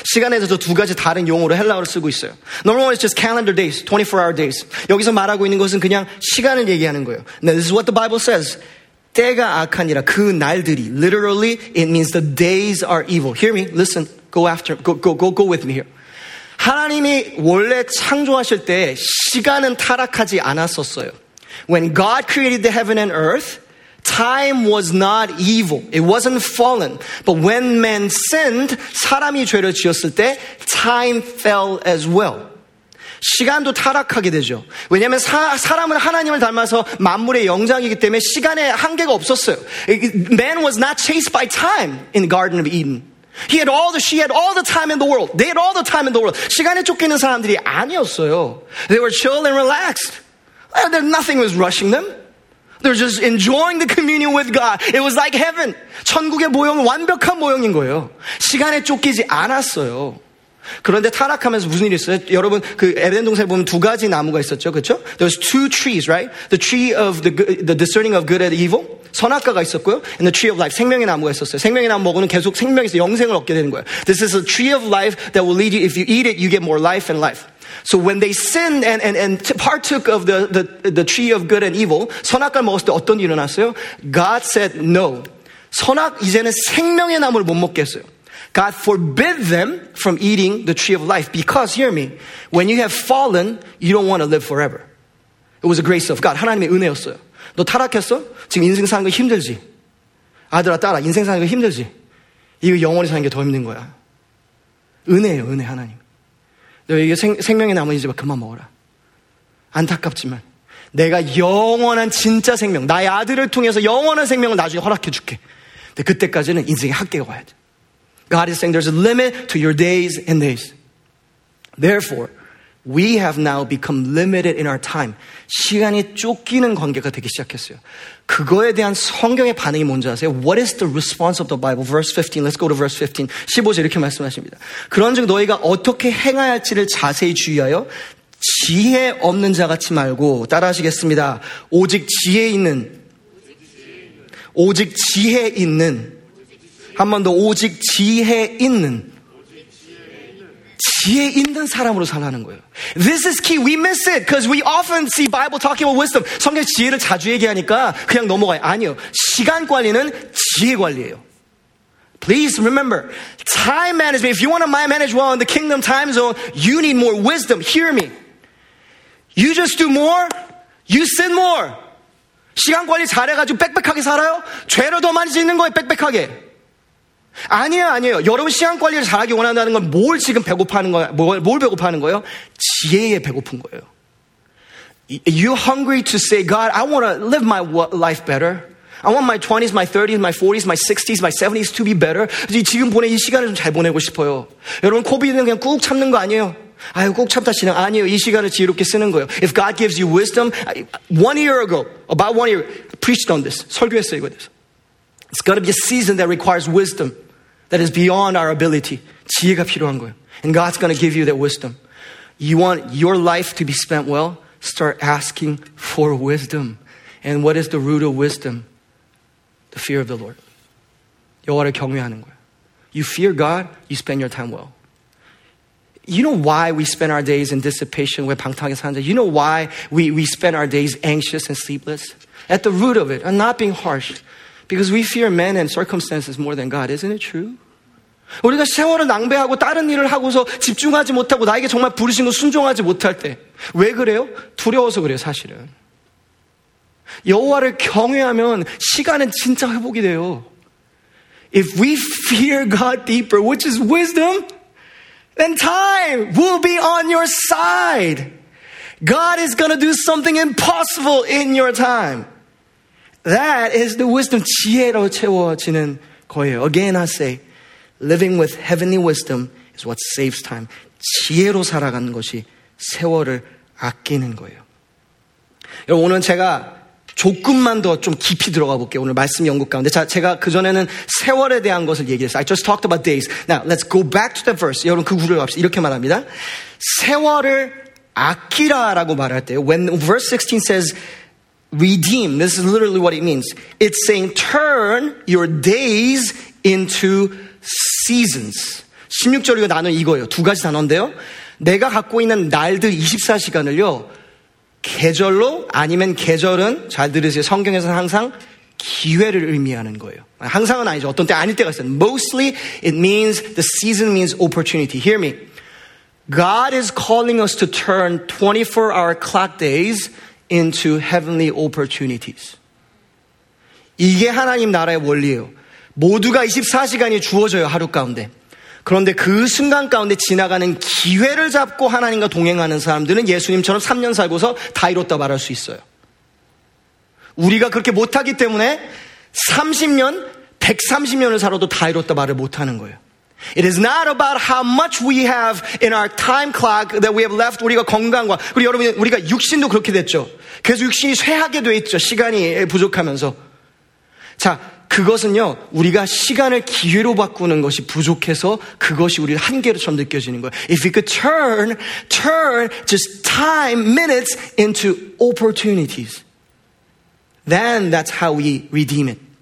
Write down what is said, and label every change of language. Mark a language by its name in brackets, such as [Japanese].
[Korean] 시간에 대해서 두 가지 다른 용어로 헬라어를 쓰고 있어요. [English] Number one is just calendar days, 24-hour days. [Korean] 여기서 말하고 있는 것은 그냥 시간을 얘기하는 거예요. [English] Now, this is what the Bible says. [Korean] 때가 악하니라. 그 날들이. [English] Literally, it means the days are evil. Hear me. Listen. Go with me here. [Korean] 하나님이 원래 창조하실 때 시간은 타락하지 않았었어요. [English] When God created the heaven and earth, time was not evil. It wasn't fallen. But when man sinned, [Korean] 사람이 죄를 지었을 때, [English] time fell as well. [Korean] 시간도 타락하게 되죠. 왜냐하면 사람은 하나님을 닮아서 만물의 영장이기 때문에 시간에 한계가 없었어요. [English] Man was not chased by time in the Garden of Eden. They had all the time in the world. [Korean] 시간에 쫓기는 사람들이 아니었어요. [English] They were chill and relaxed. Nothing was rushing them. They're just enjoying the communion with God. It was like heaven. [Korean] 천국의 모형은 완벽한 모형인 거예요. 시간에 쫓기지 않았어요. 그런데 타락하면서 무슨 일이 있어요? 여러분 그 에덴 동산에 보면 두 가지 나무가 있었죠, 그렇죠? [English] There was two trees, right? The tree of the discerning of good and evil. [Korean] 선악과가 있었고요. [English] And the tree of life, [Korean] 생명의 나무가 있었어요. 생명의 나무 먹으면 계속 생명에서 영생을 얻게 되는 거예요. [English] This is a tree of life that will lead you. If you eat it, you get more life and life. So when they sinned and partook of the tree of good and evil, [Korean] 선악과를 먹었을 때 어떤 일이 일어났어요? [English] God said no. [Korean] 선악 이제는 생명의 나무를 못 먹겠어요. [English] God forbid them from eating the tree of life. Because, hear me, when you have fallen, you don't want to live forever. It was a grace of God. [Korean] 하나님의 은혜였어요. 너 타락했어? 지금 인생 사는 거 힘들지? 아들아, 딸아, 인생 사는 거 힘들지? 이거 영원히 사는 게 더 힘든 거야. 은혜예요, 은혜, 하나님. 너 이게 생명의 나무 이제 막 그만 먹어라. 안타깝지만 내가 영원한 진짜 생명, 나의 아들을 통해서 영원한 생명을 나중에 허락해 줄게. 근데 그때까지는 인생의 학계가 와야 돼. [English] God is saying there's a limit to your days and days. Therefore, we have now become limited in our time. [Korean] 시간이 쫓기는 관계가 되기 시작했어요. 그거에 대한 성경의 반응이 뭔지 아세요? [English] What is the response of the Bible? Verse 15. Let's go to verse 15. [Korean] 15절 이렇게 말씀하십니다. 그런즉 너희가 어떻게 행해야 할지를 자세히 주의하여 지혜 없는 자같이 말고 따라하시겠습니다. 오직 지혜 있는 오직 지혜 있는 한 번 더 오직 지혜 있는 지혜 있는 사람으로 살라는 거예요. [English] This is key. We miss it because we often see Bible talking about wisdom. [Korean] 성경 지혜를 자주 얘기하니까 그냥 넘어가요. 아니요. 시간 관리는 지혜 관리예요. [English] Please remember, time management. If you want to manage well in the kingdom time zone, you need more wisdom. Hear me. You just do more, you sin more. [Korean] 시간 관리 잘해가지고 빽빽하게 살아요? 죄를 더 많이 짓는 거예요, 빽빽하게. 아니에요, 아니에요. 여러분 시간 관리를 잘하기 원한다는 건 뭘 지금 배고파하는 거야? 뭘 배고파하는 거예요? 지혜에 배고픈 거예요. [English] You hungry to say, God, I want to live my life better. I want my 20s, my 30s, my 40s, my 60s, my 70s to be better. [Korean] 지금 보내 이 시간을 좀 잘 보내고 싶어요. 여러분 코비는 그냥 꾹 참는 거 아니에요? 아유 꾹 참다 지나. 아니에요. 이 시간을 지혜롭게 쓰는 거예요. [English] If God gives you wisdom, about one year, I preached on this. [Korean] 설교했어요, 이거에 대해서. [English] It's got to be a season that requires wisdom that is beyond our ability. [Korean] 지혜가 필요한 거예요. [English] And God's going to give you that wisdom. You want your life to be spent well? Start asking for wisdom. And what is the root of wisdom? The fear of the Lord. [Korean] 여호와를 경외하는 거예요. [English] You fear God, you spend your time well. You know why we spend our days in dissipation? [Korean] 왜 방탕하게 사는지. [English] You know why we spend our days anxious and sleepless? At the root of it, I'm not being harsh. Because we fear men and circumstances more than God. Isn't it true? [Korean] 우리가 세월을 낭비하고 다른 일을 하고서 집중하지 못하고 나에게 정말 부르신 걸 순종하지 못할 때 왜 그래요? 두려워서 그래요, 사실은. 여호와를 경외하면 시간은 진짜 회복이 돼요. [English] If we fear God deeper, which is wisdom, then time will be on your side. God is going to do something impossible in your time. That is the wisdom, [Korean] 지혜로 채워지는 거예요. [English] Again, I say, living with heavenly wisdom is what saves time. [Korean] 지혜로 살아가는 것이 세월을 아끼는 거예요. 여러분, 오늘 제가 조금만 더 좀 깊이 들어가 볼게요. 오늘 말씀 연구 가운데. 자, 제가 그전에는 세월에 대한 것을 얘기했어요. [English] I just talked about days. Now, let's go back to the verse. [Korean] 여러분, 그 구절을 봅시다. 이렇게 말합니다. 세월을 아끼라라고 말할 때요. [English] When verse 16 says, redeem, this is literally what it means. It's saying, turn your days into seasons. [Korean] 16절의 단어는 이거예요. 두 가지 단어인데요. 내가 갖고 있는 날들 24시간을요. 계절로 아니면 계절은 잘 들으세요. 성경에서는 항상 기회를 의미하는 거예요. 항상은 아니죠. 어떤 때 아닐 때가 있어요. [English] Mostly it means the season means opportunity. Hear me. God is calling us to turn 24-hour clock days into heavenly opportunities. [Korean] 이게 하나님 나라의 원리예요. 모두가 24시간이 주어져요. 하루 가운데. 그런데 그 순간 가운데 지나가는 기회를 잡고 하나님과 동행하는 사람들은 예수님처럼 3년 살고서 다 이뤘다 말할 수 있어요. 우리가 그렇게 못하기 때문에 30년, 130년을 살아도 다 이뤘다 말을 못하는 거예요. [English] It is not about how much we have in our time clock that we have left. [Korean] 우리가 건강과, 그리고 여러분, 우리가 육신도 그렇게 됐죠. 그래서 육신이 쇠하게 돼 있죠. 시간이 부족하면서. 자, 그것은요, 우리가 시간을 기회로 바꾸는 것이 부족해서 그것이 우리 한계로처럼 느껴지는 거예요. [English] If we could turn just time, minutes into opportunities, then that's how we redeem it.